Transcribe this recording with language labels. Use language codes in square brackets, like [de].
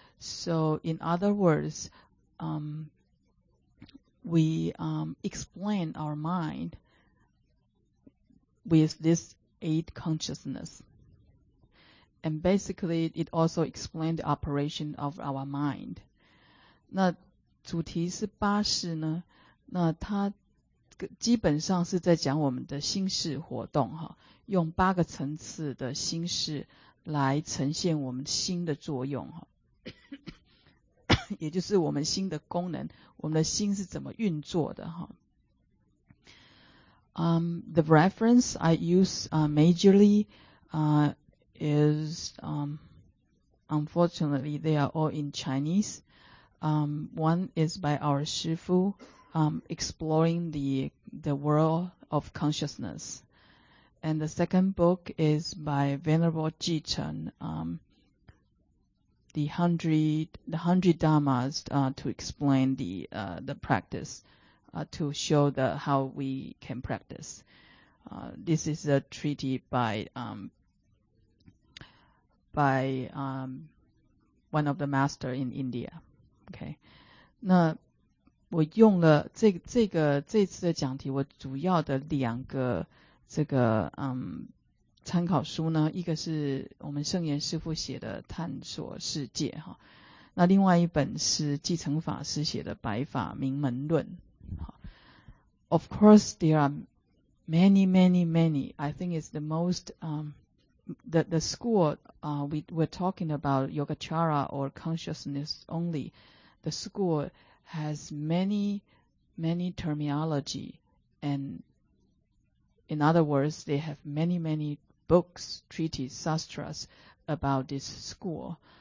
[en] So in other words, explain our mind with this eight consciousness. And basically, it also explained the operation of our mind. [zh] 那主题是八识呢？那它基本上是在讲我们的心识活动，用八个层次的心识来呈现我们心的作用，也就是我们心的功能，我们的心是怎么运作的。 [en] The reference I use majorly is unfortunately they are all in Chinese. One is by our Shifu, exploring the world of consciousness. And the second book is by Venerable Ji Chen, the hundred Dharmas, to explain the practice, to show how we can practice. This is a treaty by one of the master in India. Okay. [zh] 那我用了这次的讲题，我主要的两个这个参考书呢，一个是我们圣严师父写的《探索世界》哈，那另外一本是继承法师写的《白法明门论》。 [en] Of course, there are many, many, many. I think it's the most the school we were talking about Yogacara or consciousness only. The school has many, many terminology, and in other words, they have many, many books, treaties, sastras about this school.